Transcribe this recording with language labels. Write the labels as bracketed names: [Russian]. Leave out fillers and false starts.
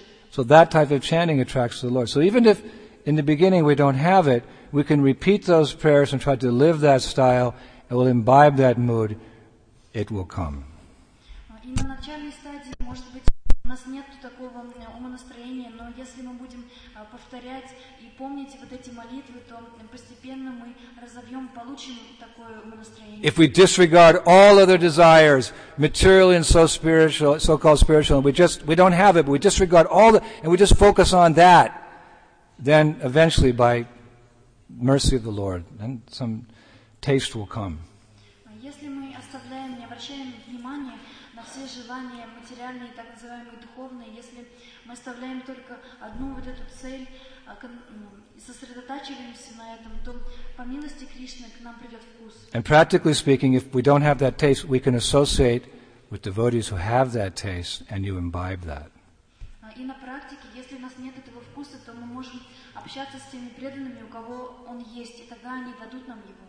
[English] So that type of chanting attracts the Lord. So even if in the beginning we don't have it, we can repeat those prayers and try to live that style, and we'll imbibe that mood, it will come. [Russian] И на начальной стадии, может быть, у нас нет такого умонастроения, но если мы будем повторять и помнить вот эти молитвы, то постепенно мы разовьем, получим такое умонастроение. [English] If we disregard all other desires, material and so spiritual, so-called spiritual, and we don't have it, but we disregard all the, and we just focus on that, then eventually, by mercy of the Lord, then some taste will come. [Russian] Если мы оставляем, не обращаем внимания, все желания материальные, так называемые духовные, если мы оставляем только одну вот эту цель, сосредотачиваемся на этом, то по милости Кришны к нам придет вкус. [English] And practically speaking, if we don't have that taste, we can associate with devotees who have that taste, and you imbibe that. [Russian] И на практике, если у нас нет этого вкуса, то мы можем общаться с теми преданными, у кого он есть, и тогда они дадут нам его.